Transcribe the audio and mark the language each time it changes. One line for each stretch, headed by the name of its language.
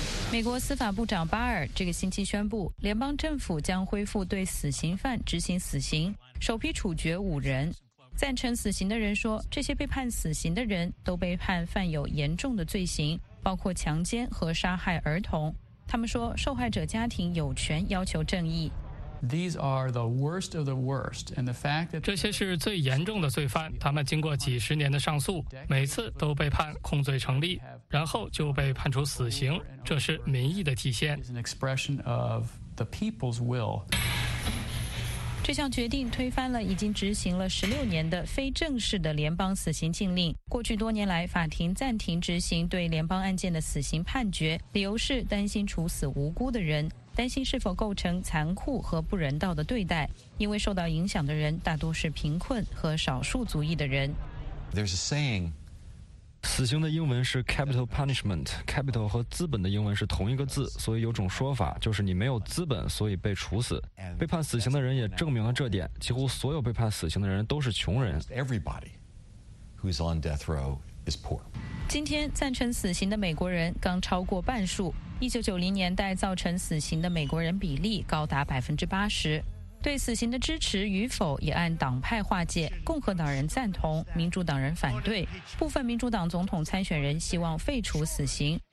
Chinese: 美国司法部长巴尔这个星期宣布，联邦政府将恢复对死刑犯执行死刑，首批处决五人。赞成死刑的人说，这些被判死刑的人都被判犯有严重的罪行，包括强奸和杀害儿童。他们说，受害者家庭有权要求正义。
English: These are the worst of the worst, and the fact that
Chinese: 这些是最严重的罪犯，他们经过几十年的上诉，每次都被判控罪成立，然后就被判处死刑，这是民意的体现。
English: Is an expression of the people's will.
Chinese: 这项决定推翻了已经执行了16年的非正式的联邦死刑禁令。过去多年来，法庭暂停执行对联邦案件的死刑判决，理由是担心处死无辜的人。担心是否构成残酷和不人道的对待，因为受到影响的人大多是贫困和少数族裔的人。
English: There's a saying，
Chinese: 死刑的英文是 capital punishment， capital 和资本的英文是同一个字，所以有种说法就是你没有资本，所以被处死。被判死刑的人也证明了这点，几乎所有被判死刑的人都是穷人。
English: Everybody who's on death row is poor。
Chinese: 今天赞成死刑的美国人刚超过半数，1990年代造成死刑的美国人比例高达80%。对死刑的支持与否也按党派划界，共和党人赞同，民主党人反对。部分民主党总统参选人希望废除死刑。